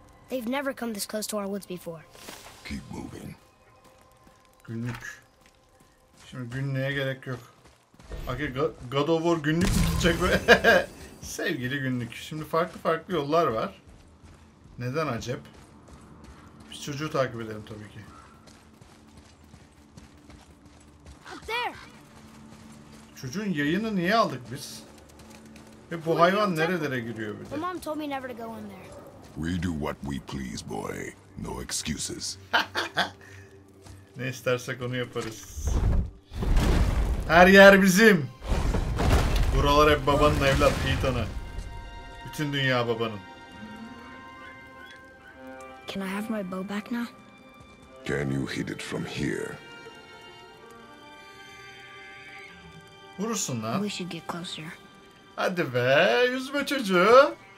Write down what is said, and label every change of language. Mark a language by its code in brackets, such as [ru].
[en] They've never come this close to our woods before. Keep moving. [tr] Günlük. Şimdi günlüğe gerek yok. Okay, God of War günlük tutacak be. Sevgili günlük. Şimdi farklı farklı yollar var. Neden acep? Biz çocuğu takip edelim tabii ki. [en] There. [tr] Çocuğun yayını niye aldık biz? bu hayvan nerelere giriyor bir de? [en] Mom told me never to go in there. We do what we please, boy. No excuses. [tr] Ne istersek onu yaparız. Her yer bizim. Buralar hep babanın evlat Ethan'ı. Bütün dünya babanın. [en] Can I have my bow back now? Can you hit it from here? [tr] Vurursun lan. [en] We should get closer. [tr] Hadi be, yüzme çocuğu.